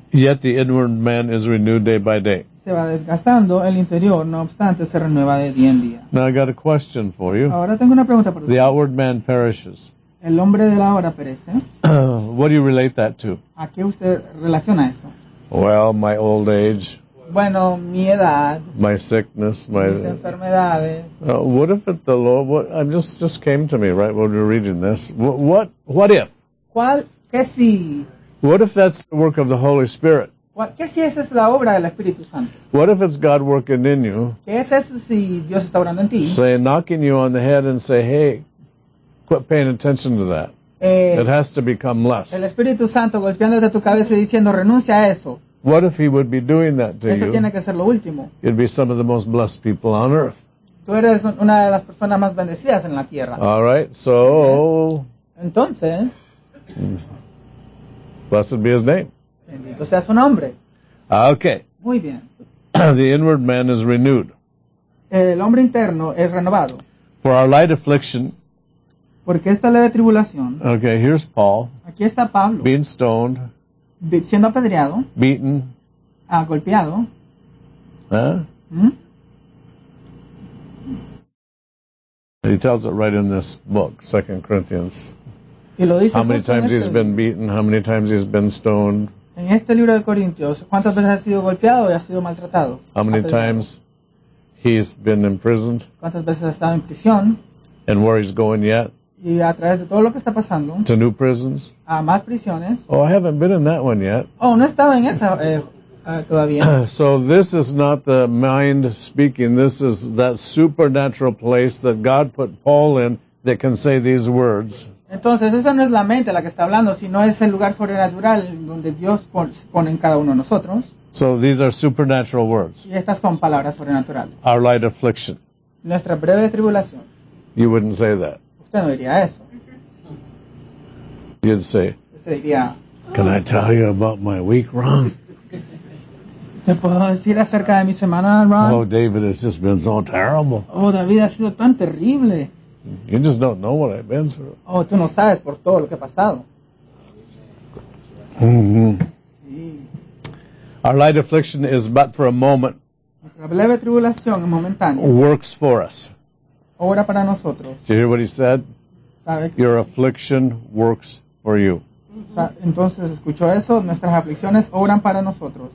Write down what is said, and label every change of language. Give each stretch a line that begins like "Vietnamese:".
English: yet the inward man is renewed day by day.
Spanish: Se va desgastando el interior, no obstante, se renueva de día en día.
English: Now I got a question for you.
Spanish: Ahora tengo una pregunta para usted.
English: The outward man perishes.
Spanish: El hombre de la hora perece.
English: What do you relate that to?
Spanish: ¿A qué usted relaciona eso?
English: Well, my old age.
Spanish: Bueno, mi edad.
English: My sickness, my
Spanish: mis enfermedades.
English: What if it the Lord? What I just came to me right when we're reading this. What if?
Spanish: ¿Cuál qué si?
English: What if that's the work of the Holy Spirit?
Spanish: ¿Qué si esa es la obra del Espíritu Santo?
English: What if it's God working in you?
Spanish: ¿Qué es eso si Dios está orando en ti?
English: Say knocking you on the head and say, hey, quit paying attention to that. It has to become less.
Spanish: El Espíritu Santo golpeándote tu cabeza y diciendo, renuncia a eso.
English: What if he would be doing that to
Spanish: eso
English: you?
Spanish: Tiene que ser lo último.
English: You'd be some of the most blessed people on earth.
Spanish: Tú eres una de las personas más bendecidas en la tierra.
English: All right, so
Spanish: entonces,
English: blessed be his name.
Spanish: Bendito sea su nombre.
English: Okay.
Spanish: Muy bien.
English: The inward man is renewed.
Spanish: El hombre interno es renovado.
English: For our light affliction.
Spanish: Porque esta leve tribulación.
English: Okay, here's Paul.
Spanish: Aquí está Pablo.
English: Being stoned.
Spanish: Siendo apedreado.
English: Beaten.
Spanish: Golpeado.
English: He tells it right in this book, 2 Corinthians.
Spanish: Y lo dice
English: how many times he's been beaten, how many times he's been stoned.
Spanish: En este libro de Corintios, ¿cuántas veces ha sido golpeado y ha sido maltratado?
English: How many times he's been imprisoned?
Spanish: ¿Cuántas veces ha estado en prisión?
English: And where he's going yet?
Spanish: Y a través de todo lo que está pasando.
English: To new prisons?
Spanish: A más prisiones.
English: Oh, I haven't been in that one yet.
Spanish: Oh, no he estado en esa todavía.
English: So this is not the mind speaking. This is that supernatural place that God put Paul in that can say these words.
Spanish: Entonces, esa no es la mente la que está hablando, sino es el lugar sobrenatural donde Dios pone en cada uno de nosotros.
English: So these are supernatural words.
Spanish: Y estas son palabras sobrenaturales.
English: Our light affliction.
Spanish: Nuestra breve tribulación.
English: You wouldn't say that.
Spanish: Usted no diría eso.
English: You'd say,
Spanish: usted diría,
English: can I tell you about my week, Ron?
Spanish: ¿Te puedo decir acerca de mi semana, Ron?
English: Oh, David, it's just been so terrible.
Spanish: Oh, David, ha sido tan terrible.
English: You just don't know what I've been through.
Spanish: Oh, tú no sabes por todo lo que ha pasado. Sí.
English: Our light affliction is but for a moment.
Spanish: Nuestra breve tribulación es momentánea.
English: Works for us.
Spanish: Obra para nosotros.
English: Did you hear what he said? Your affliction works for you.
Spanish: Entonces, ¿escuchó eso? Nuestras aflicciones obran para nosotros.